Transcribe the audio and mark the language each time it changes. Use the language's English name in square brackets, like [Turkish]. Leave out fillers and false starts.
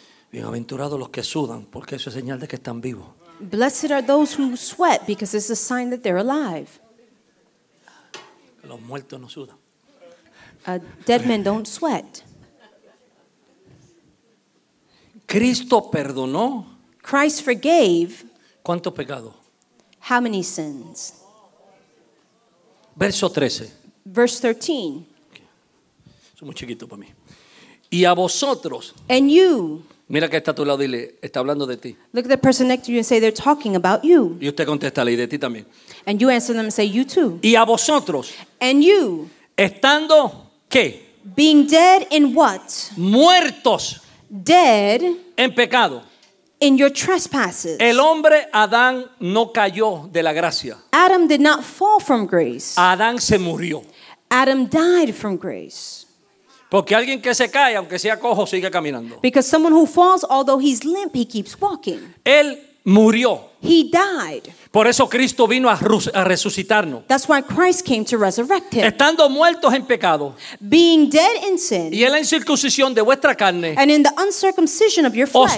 [Spanish] Bienaventurados los que sudan, porque eso es señal de que están vivos. [English] Blessed are those who sweat, because it's a sign that they're alive. [Spanish] Los muertos no sudan. [English] Dead men don't sweat. [Spanish] Cristo perdonó. [English] Christ forgave. [Spanish] ¿Cuántos pecados? [English] How many sins? [Spanish] Verso 13. [English] Verse 13. [Spanish] Es muy chiquito para mí. Y a vosotros. [English] And you. [Spanish] Mira que está a tu lado y le está hablando de ti. [English] Look at the person next to you and say they're talking about you. [Spanish] Y usted contesta y de ti también. [English] And you answer them and say you too. [Spanish] Y a vosotros. [English] And you. [Spanish] Estando. ¿Qué? [English] Being dead in what? [Spanish] Muertos. [English] Dead. [Spanish] En pecado. [English] In your trespasses. [Spanish] El hombre Adán no cayó de la gracia. [English] Adam did not fall from grace. [Spanish] Adán se murió. [English] Adam died from grace. [Spanish] Porque alguien que se cae, aunque sea cojo, sigue caminando. [English] Because someone who falls, although he's limp, he keeps walking. [Spanish] Él murió. [English] He died. [Spanish] Por eso Cristo vino a resucitarnos. [English] That's why Christ came to resurrect him. [Spanish] Estando muertos en pecado. [English] Being dead in sin. [Spanish] Y en la incircuncisión de vuestra carne. [English] And in the uncircumcision of your flesh.